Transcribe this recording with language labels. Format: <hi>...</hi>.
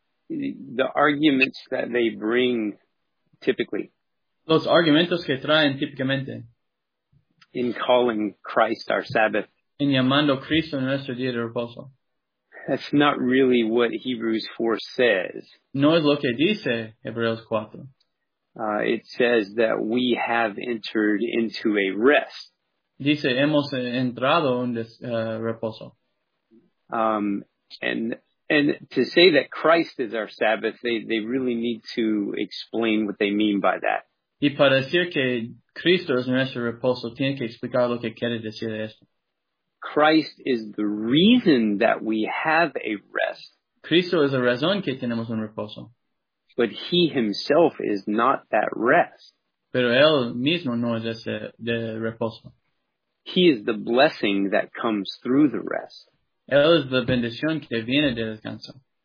<en>The arguments that they bring typically.</en> <es>Los argumentos que traen típicamente.</es> <en>In calling Christ our Sabbath.</en> <es>En llamando Cristo nuestro día de reposo.</es> <en>That's not really what Hebrews 4 says.</en> <es>No es lo que dice Hebreos 4.</es> <en>It says that we have entered into a rest.</en> <es>Dice, hemos entrado en reposo.</es> <en>And to say that Christ is our Sabbath, they really need to explain what they mean by that.</en> <es>Y para decir que Cristo es nuestro reposo, tiene que explicar lo que quiere decir esto.</es> <en>Christ is the reason that we have a rest.</en> <es>Cristo es la razón que tenemos un reposo.</es> <en>But he himself is not that rest.</en> <es>Pero él mismo no es ese de reposo.</es> <en>He is the blessing that comes through the rest.</en> <es>Él es la bendición que viene del descanso.</es>